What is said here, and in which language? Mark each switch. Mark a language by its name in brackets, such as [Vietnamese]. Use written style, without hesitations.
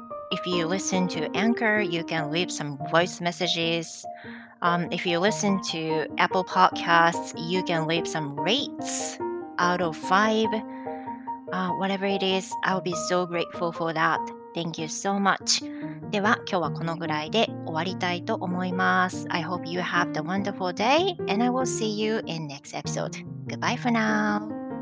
[English] If you listen to Anchor, you can leave some voice messages. If you listen to Apple Podcasts, you can leave some rates out of 5. Whatever it is, I'll be so grateful for that. Thank you so much. [Japanese] では、今日はこのぐらいで終わりたいと思います。 [English] I hope you have a wonderful day, and I will see you in next episode. Goodbye for now.